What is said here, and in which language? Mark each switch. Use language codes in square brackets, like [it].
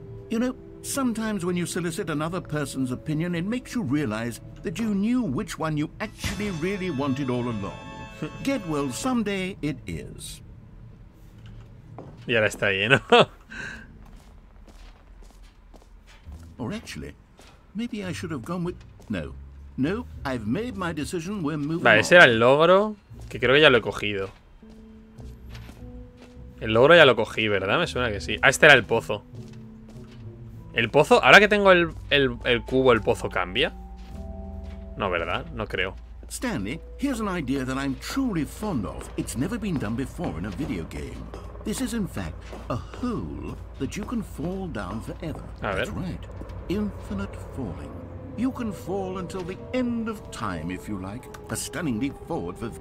[en] You know, sometimes when you solicit another person's opinion, it makes you realize that you knew which one you actually really wanted all along. Get well someday it is. [es] Y ahora está lleno. [en] Or actually, maybe I should have gone with... No. No, I've made my decision, we're moving. [es] Vale, ese era el logro, que creo que ya lo he cogido. El logro ya lo cogí, ¿verdad? Me suena que sí. Ah, este era el pozo. ¿El pozo? ¿Ahora que tengo el cubo, el pozo cambia? No, ¿verdad? No creo. [en] Stanley, here's an idea that I'm truly fond of. It's never been done before in a video game. This is in fact a hole that you can fall down forever. [es] A ver. [en] That's right. Infinite falling. You can fall until the end of time if you like. A stunning leap forward for...